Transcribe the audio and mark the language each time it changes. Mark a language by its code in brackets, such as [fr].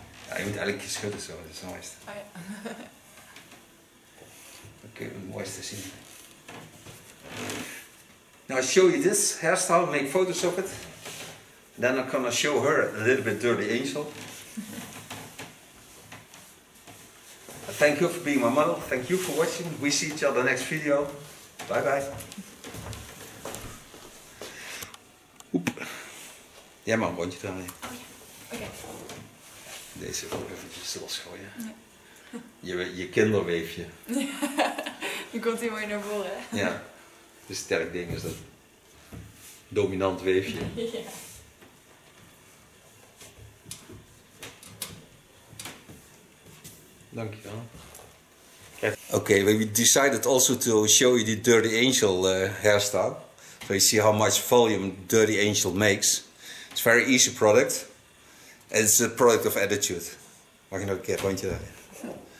[nl] Ja, je moet eigenlijk schudden zo, dat is het mooiste. Oh, ja. Dan kun je het mooiste zien. [en] Now I'll show you this hairstyle, make photos of it. Then I'm gonna show her a little bit Dirty Angel. Thank you for being my model. Thank you for watching. We see each other next video. Bye bye. Oep. [nl] Jij mag een rondje draaien. Oh ja. Okay. Deze ook eventjes losgooien. Ja. Je kinderweefje. Je komt hier mooi naar voren. Ja. Het is een sterk ding, is dat dominant weefje. Ja. Dankjewel. [en] Okay, well, we decided also to show you the Dirty Angel hairstyle. So you see how much volume Dirty Angel makes. It's a very easy product. And it's a product of attitude. [nl] Mag je nog een keer een rondje draaien?